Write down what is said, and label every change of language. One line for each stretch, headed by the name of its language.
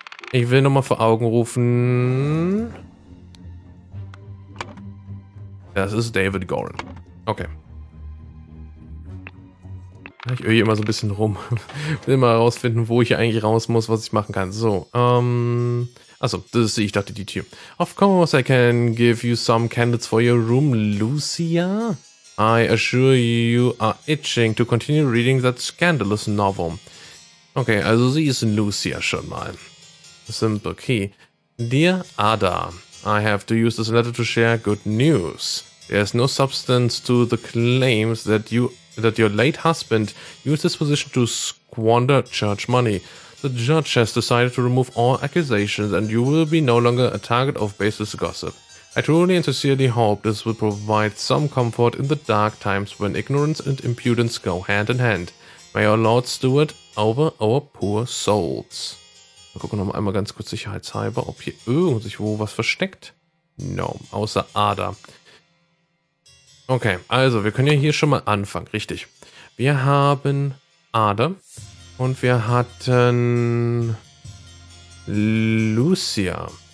German: Ich will nochmal vor Augen rufen. Das ist David Gorin. Okay. Ich irre immer so ein bisschen rum. Will mal herausfinden, wo ich eigentlich raus muss, was ich machen kann. So, Achso, das ist, ich dachte, die Tür.
English: Of course I can give you some candles for your room, Lucia. I assure you are itching to continue reading that scandalous novel.
German: Okay, also sie ist Lucia schon mal. Simple key.
English: Dear Ada, I have to use this letter to share good news. There is no substance to the claims that your late husband used his position to squander church money. The judge has decided to remove all accusations and you will be no longer a target of baseless gossip. I truly and sincerely hope this will provide some comfort in the dark times when ignorance and impudence go hand in hand. May our Lord steward over our poor souls.
German: Mal gucken noch einmal ganz kurz sicherheitshalber, ob hier irgendwo was versteckt. No, außer Ada. Okay, also wir können ja hier schon mal anfangen, richtig. Wir haben Ada und wir hatten Lucia.